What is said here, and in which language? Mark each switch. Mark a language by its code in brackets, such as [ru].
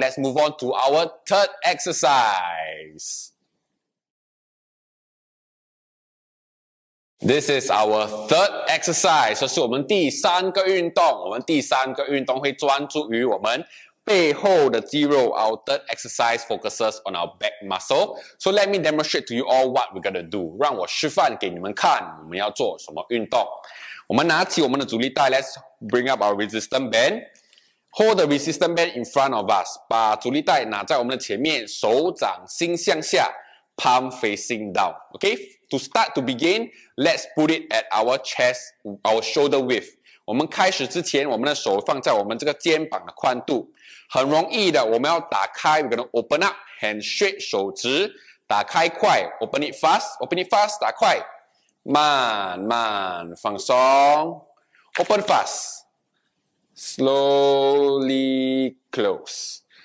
[en] Let's move on to our third exercise. This is our third exercise. [zh] 这是我们第三个运动。我们第三个运动会专注于我们背后的肌肉。 [en] Our third exercise focuses on our back muscle. So let me demonstrate to you all what we're gonna do. [zh] 让我示范给你们看我们要做什么运动。我们拿起我们的阻力带 [en] ，Let's bring up our resistance band. Hold the resistance band in front of us. [zh] 把阻力带拿在我们的前面，手掌心向下 ， [en] palm facing down. Okay. To start to begin, let's put it at our chest, our shoulder width. [zh] 我们开始之前，我们的手放在我们这个肩膀的宽度。很容易的，我们要打开 [en] ，we're gonna open up, hand straight, [zh] 手直，打开快 [en] open it fast, [zh] 打快，慢慢放松 [en] ，open fast, slowly close.